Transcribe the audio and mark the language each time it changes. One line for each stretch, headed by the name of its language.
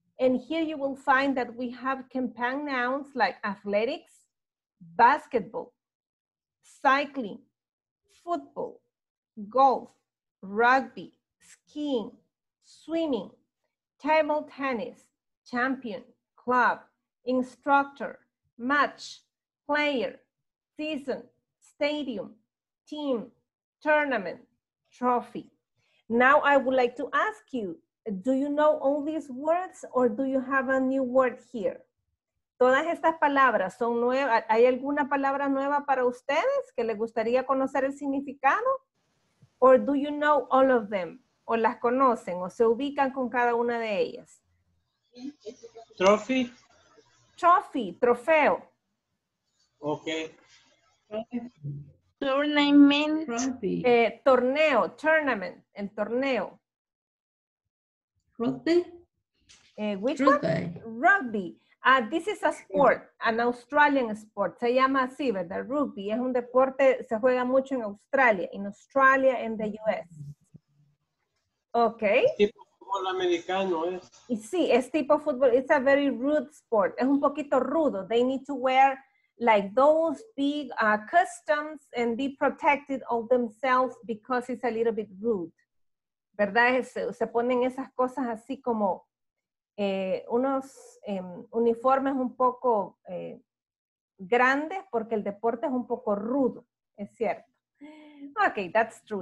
English: And here you will find that we have compound nouns like athletics, basketball, cycling, football, golf, rugby, skiing, swimming, table tennis, champion, club, instructor, match, player, season, stadium, team, tournament, trophy. Now I would like to ask you, do you know all these words or do you have a new word here?
Spanish: ¿Todas estas palabras son nuevas? ¿Hay alguna palabra nueva para ustedes que les gustaría conocer el significado?
English: Or do you know all of them?
Spanish: ¿O las conocen o se ubican con cada una de ellas?
English: Trophy. Trophy, trofeo. Okay. Tournament.
Spanish: Torneo, tournament, el torneo.
English: Rugby. This is a sport, an Australian sport.
Spanish: Se llama así, ¿verdad?
English: Rugby.
Spanish: Es un deporte, se juega mucho en Australia,
English: in Australia and the US. Okay.
Spanish: Tipo fútbol americano es. Y sí, es tipo fútbol.
English: It's a very rude sport.
Spanish: Es un poquito rudo.
English: They need to wear like those big customs and be protected of themselves because it's a little bit rude.
Spanish: ¿Verdad? Se ponen esas cosas así como... unos uniformes un poco grandes porque el deporte es un poco rudo, es cierto.
English: Okay, that's true.